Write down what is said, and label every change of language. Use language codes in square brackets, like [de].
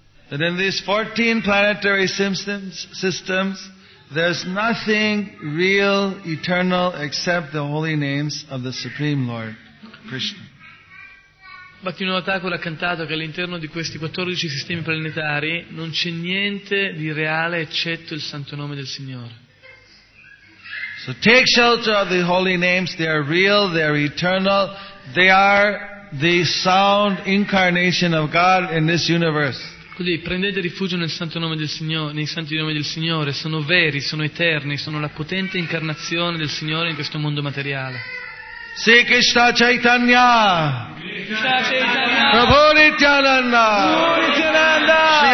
[en] That in these 14 planetary systems, there's nothing real, eternal, except the holy names of the Supreme Lord, Krishna. [it] Bhaktivinoda Thakur ha cantato che all'interno di questi 14 sistemi planetari non c'è niente di reale eccetto il santo nome del Signore. [en] So take shelter of the holy names, they are real, they are eternal, they are the sound incarnation of God in this universe. [it] Quindi prendete rifugio nel santo nome del Signore, nei santi nomi del Signore, sono veri, sono eterni, sono la potente incarnazione del Signore in questo mondo materiale. [sa] Sri Krishna Chaitanya, Prabhu Nityananda, Sri